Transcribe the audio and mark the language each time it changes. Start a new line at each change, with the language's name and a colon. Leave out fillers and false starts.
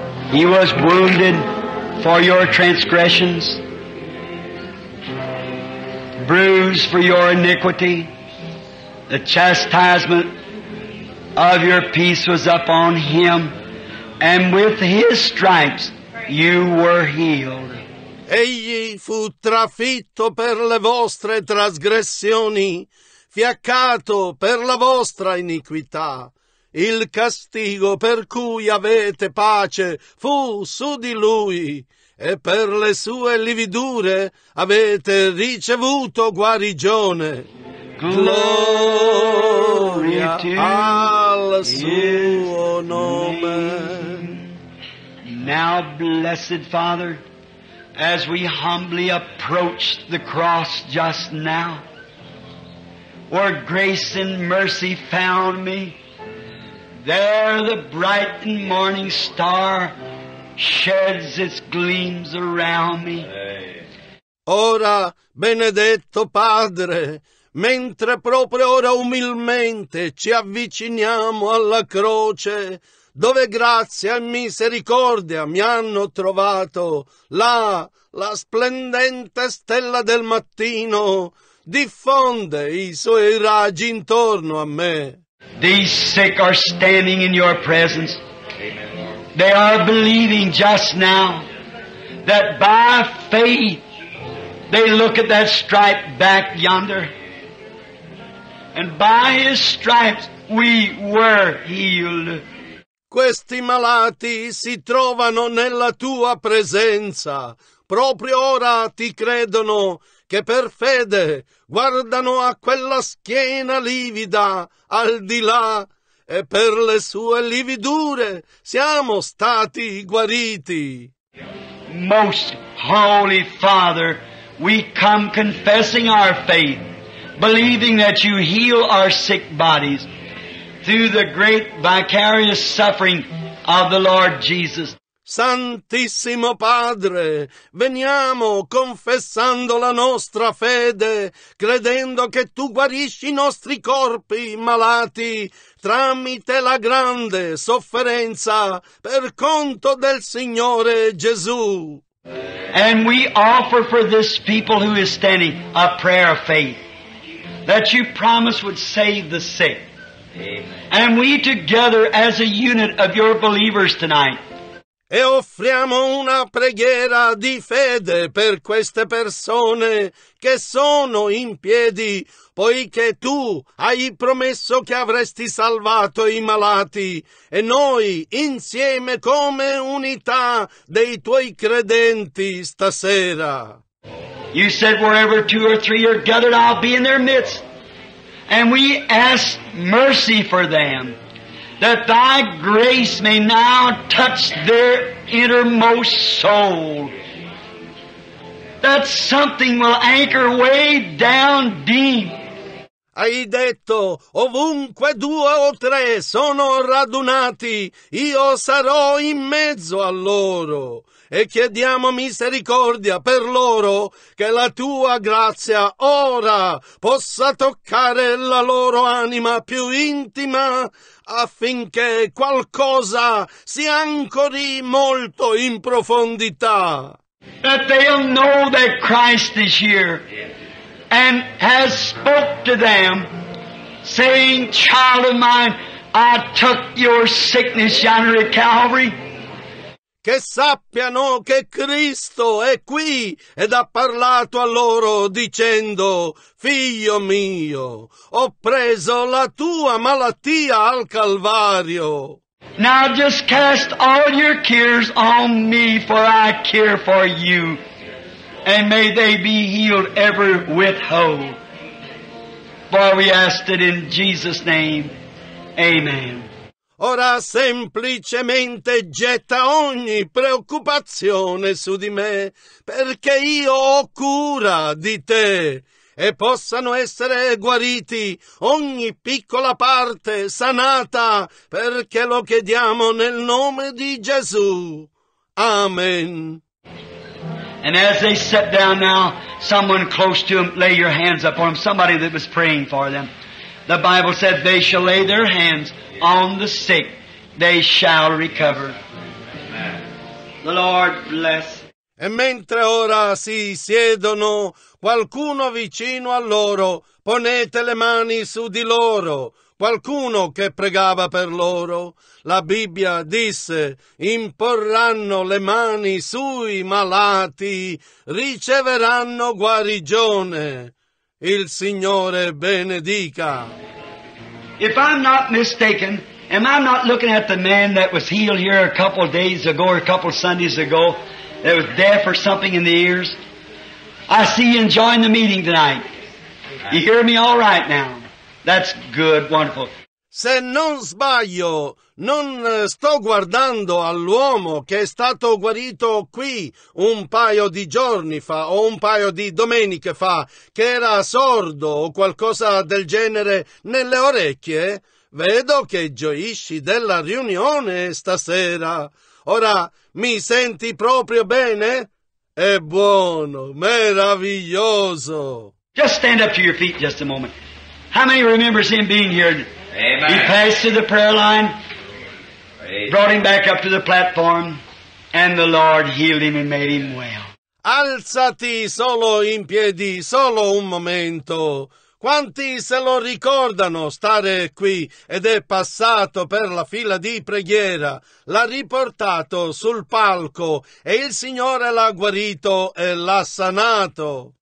English: He was wounded for your transgressions, bruised for your iniquity. The chastisement of your peace was upon him, and with his stripes you were healed.
Italian: Egli fu trafitto per le vostre trasgressioni, fiaccato per la vostra iniquità. Il castigo per cui avete pace fu su di lui, e per le sue lividure avete ricevuto guarigione. Gloria al suo nome.
English: Now, blessed Father, as we humbly approach the cross just now, where grace and mercy found me, there the bright and morning star sheds its gleams around me.
Italian: Ora, benedetto Padre, mentre proprio ora umilmente ci avviciniamo alla croce, dove grazia e misericordia mi hanno trovato, là la splendente stella del mattino diffonde i suoi raggi intorno a me.
English: These sick are standing in your presence. They are believing just now that by faith they look at that stripe back yonder. And by his stripes we were healed.
Italian: Questi malati si trovano nella tua presenza. Proprio ora ti credono che per fede guardano a quella schiena livida al di là, e per le sue lividure siamo stati guariti.
English: Most Holy Father, we come confessing our faith, believing that you heal our sick bodies through the great vicarious suffering of the Lord Jesus.
Italian: Santissimo Padre, veniamo confessando la nostra fede, credendo che tu guarisci i nostri corpi malati tramite la grande sofferenza per conto del Signore Gesù.
English: And we offer for this people who is standing a prayer of faith that you promised would save the sick. Amen. And we together as a unit of your believers tonight,
Italian: e offriamo una preghiera di fede per queste persone che sono in piedi, poiché tu hai promesso che avresti salvato i malati, e noi insieme come unità dei tuoi credenti stasera.
English: You said wherever two or three are gathered, I'll be in their midst. And we ask mercy for them, that thy grace may now touch their innermost soul. That something will anchor way down deep.
Italian: Hai detto, ovunque due o tre sono radunati, io sarò in mezzo a loro. E chiediamo misericordia per loro, che la tua grazia ora possa toccare la loro anima più intima, affinché qualcosa si ancori molto in profondità.
English: That they'll know that Christ is here and has spoke to them, saying, child of mine, I took your sickness yonder at Calvary.
Italian: Che sappiano che Cristo è qui ed ha parlato a loro dicendo, figlio mio, ho preso la tua malattia al Calvario.
English: Now just cast all your cares on me, for I care for you. And may they be healed every whit whole. For we ask it in Jesus' name. Amen.
Italian: Ora semplicemente getta ogni preoccupazione su di me, perché io ho cura di te, e possano essere guariti ogni piccola parte sanata, perché lo chiediamo nel nome di Gesù.
English: Amen. And as they sit down now, someone close to them, lay your hands up on them, somebody that was praying for them. The Bible said they shall lay their hands on the sick, they shall recover. The Lord bless.
Italian: E mentre ora si siedono, qualcuno vicino a loro, ponete le mani su di loro. Qualcuno che pregava per loro, la Bibbia disse, imporranno le mani sui malati, riceveranno guarigione. Il Signore benedica.
English: If I'm not mistaken, am I not looking at the man that was healed here a couple of days ago or a couple of Sundays ago, that was deaf or something in the ears? I see you enjoying the meeting tonight. You hear me all right now? That's good, wonderful.
Italian: Se non sbaglio, non sto guardando all'uomo che è stato guarito qui un paio di giorni fa o un paio di domeniche fa, che era sordo o qualcosa del genere nelle orecchie. Vedo che gioisci della riunione stasera. Ora, mi senti proprio bene? È buono, meraviglioso.
English: Just stand up to your feet just a moment. How many remembers him being here? Amen. He passed through the prayer line, brought him back up to the platform, and the Lord healed him and made him well.
Italian: Alzati solo in piedi, solo un momento. Quanti se lo ricordano stare qui ed è passato per la fila di preghiera, l'ha riportato sul palco e il Signore l'ha guarito e l'ha sanato.